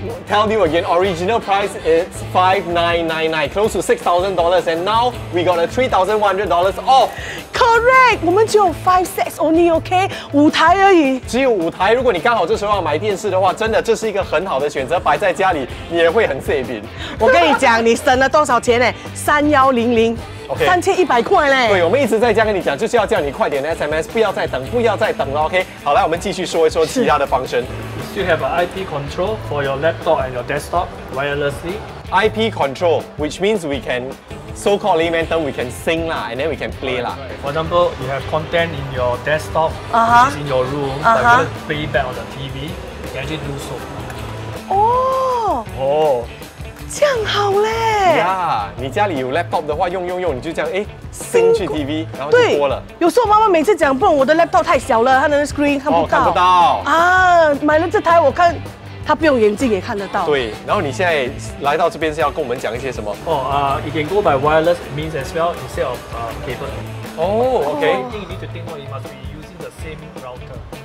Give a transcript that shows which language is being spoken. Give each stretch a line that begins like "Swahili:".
English: Tell you again, original price is $5,999, close to $6,000, and now we got a $3,100 off. Correct,
Chinese: 我们只有
English: five sets only, okay?
Chinese: 五台而已。只有五台，如果你刚好这时候要买电视的话，真的这是一个很好的选择，摆在家里你也会很 saving。我跟你讲，你省了多少钱呢？3100。 OK， 3100块嘞。对，我们一直在这样跟你讲，就是要叫你快点 SMS， 不要再等，不要再等了。 OK， 好，来我们继续说一说其他的方针。
English: You have an IP control for your laptop and your desktop wirelessly. IP control, which means we can so-called layman term, we can sing lah, and then we can play lah. For example, you have content in your desktop, uh-huh. which is in your room, uh-huh. but you can play back on the TV. You can actually do so. Oh. Oh.
Chinese: 这样好嘞！呀、yeah, ，你家里有 laptop 的话，用，你就这样哎，升去 TV， 然后就播了。有时候妈妈每次讲，不然我的 laptop 太小了，它的 screen 看不到。哦，看不到。啊，买了这台，我看它不用眼镜也看得到。对，然后你现在来到这边是要跟我们讲一些什么？
English: 哦啊 ，you can go by wireless means as well instead of cable. Oh, okay. You need to think what you must be using the same router.